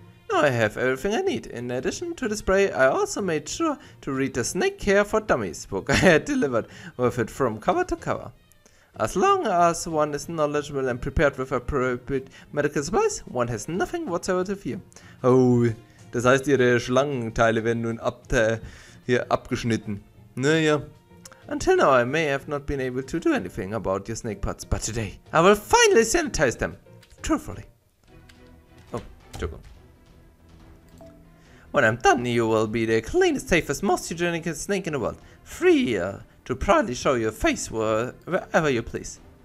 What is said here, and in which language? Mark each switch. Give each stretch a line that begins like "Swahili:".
English: Now I have everything I need. In addition to the spray, I also made sure to read the Snake Care for Dummies book I had delivered with it from cover to cover. As long as one is knowledgeable and prepared with appropriate medical supplies, one has nothing whatsoever to fear.
German: Oh, das heißt, ihre Schlangenteile werden nun abgeschnitten. Naja.
English: Until now I may have not been able to do anything about your snake parts, but today I will finally sanitize them. Truthfully. Oh, joke. When I'm done, you will be the cleanest, safest, most hygienic snake in the world. Free to proudly show your face wherever you please.